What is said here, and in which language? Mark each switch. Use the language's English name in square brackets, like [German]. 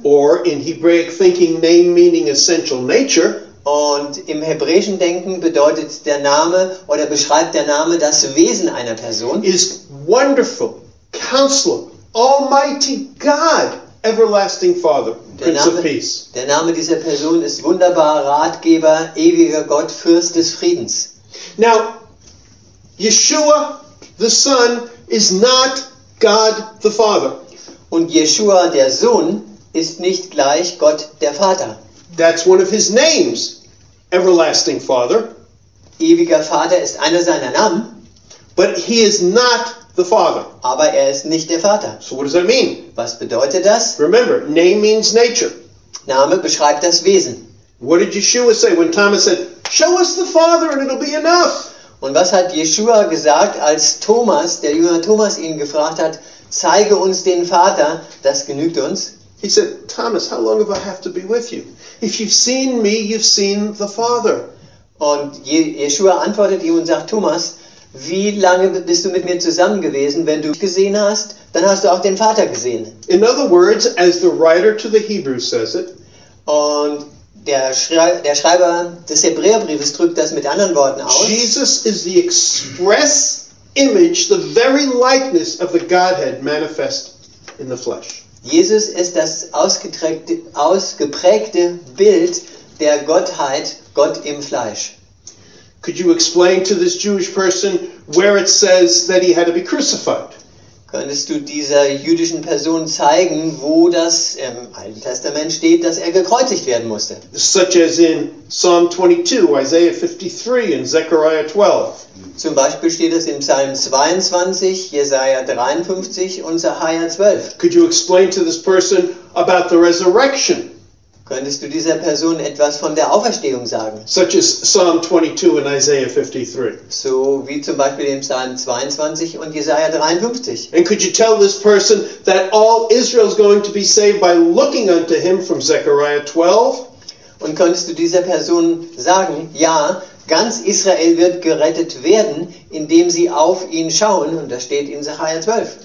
[English] Or in Hebraic thinking, name meaning essential nature. [German] Und im hebräischen Denken bedeutet der Name oder beschreibt der Name das Wesen einer Person. [English] Is wonderful, Counselor, Almighty God, Everlasting Father, Prince [German] Name, [English] of Peace. [German] Der Name dieser Person ist wunderbar, Ratgeber, ewiger Gott, Fürst des Friedens. [English] Now, Yeshua, the Son, is not God, the Father. [German] Und Yeshua, der Sohn, ist nicht gleich Gott, der Vater. [English] That's one of his names, Everlasting Father. [German] Ewiger Vater ist einer seiner Namen. [English] But he is not the Father. [German] Aber er ist nicht der Vater. [English] So what does that mean? [German] Was bedeutet das? [English] Remember, name means nature. [German] Name beschreibt das Wesen. [English] What did Yeshua say when Thomas said, "Show us the Father and it'll be enough"? [German] Und was hat Yeshua gesagt, als Thomas, der Jünger Thomas, ihn gefragt hat, "Zeige uns den Vater, das genügt uns"? [English] He said, "Thomas, how long have I have to be with you? If you've seen me, you've seen the Father." [German] Und Yeshua antwortet ihm und sagt, "Thomas, wie lange bist du mit mir zusammen gewesen? Wenn du mich gesehen hast, dann hast du auch den Vater gesehen." [English] In other words, as the writer to the Hebrews says it, [German] und der Schreiber des Hebräerbriefes drückt das mit anderen Worten aus, [English] Jesus is the express image, the very likeness of the Godhead manifest in the flesh. [German] Jesus ist das ausgeprägte Bild der Gottheit, Gott im Fleisch. [English] Could you explain to this Jewish person where it says that he had to be crucified? [German] Könntest du dieser jüdischen Person zeigen, wo das im Alten Testament steht, dass er gekreuzigt werden musste? [English] Such as in Psalm 22, Isaiah 53 and Zechariah 12. [German] Zum Beispiel steht es im Psalm 22, Jesaja 53 und Zechariah 12. [English] Could you explain to this person about the resurrection? [German] Könntest du dieser Person etwas von der Auferstehung sagen? [English] Such as Psalm 22 and Isaiah 53. [German] So wie zum Beispiel im Psalm 22 und Jesaja 53. [English] And could you tell this person that all Israel is going to be saved by looking unto him from Zechariah 12? [German] Und könntest du dieser Person sagen, ja, ganz Israel wird gerettet werden, indem sie auf ihn schauen, und das steht in Zechariah 12.